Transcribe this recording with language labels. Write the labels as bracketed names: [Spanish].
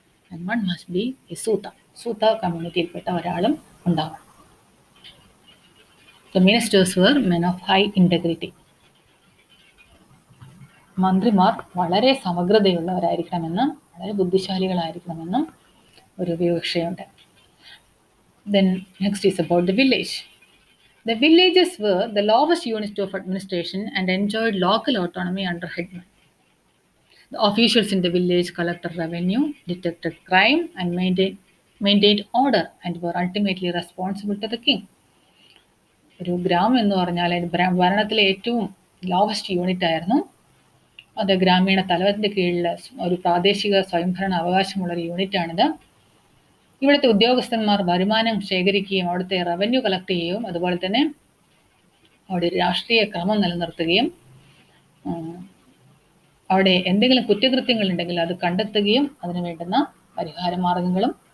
[English] and one must be a Suta, [Malayalam] സൂത കമ്മ്യൂണിറ്റിയിൽപ്പെട്ട ഒരാളും ഉണ്ടാവണം. [English] The ministers were men of high integrity. [Malayalam] മന്ത്രിമാർ വളരെ സമഗ്രതയുള്ളവരായിരിക്കണമെന്നും വളരെ ബുദ്ധിശാലികളായിരിക്കണമെന്നും ഒരു വിവക്ഷയുണ്ട്. [English] Then next is about the village. The villages were the lowest unit of administration and enjoyed local autonomy under headmen. The officials in the village collected revenue, detected crime and maintained order and were ultimately responsible to the king. [Malayalam] ഒരു ഗ്രാമം എന്ന് പറഞ്ഞാൽ ഭരണത്തിലെ ഏറ്റവും lowest unit ആയിരുന്നു. അത് ഗ്രാമീണ തലവന്റെ കീഴിൽ ഒരു പ്രാദേശിക സ്വയംഭരണ അവകാശമുള്ള ഒരു യൂണിറ്റ് ആണിത്. ഇവിടുത്തെ ഉദ്യോഗസ്ഥന്മാർ വരുമാനം ശേഖരിക്കുകയും അവിടുത്തെ റവന്യൂ കളക്ട് ചെയ്യുകയും അതുപോലെ തന്നെ അവിടെ രാഷ്ട്രീയ ക്രമം നിലനിർത്തുകയും അവിടെ എന്തെങ്കിലും കുറ്റകൃത്യങ്ങൾ ഉണ്ടെങ്കിൽ അത് കണ്ടെത്തുകയും അതിനു വേണ്ടുന്ന പരിഹാര മാർഗങ്ങളും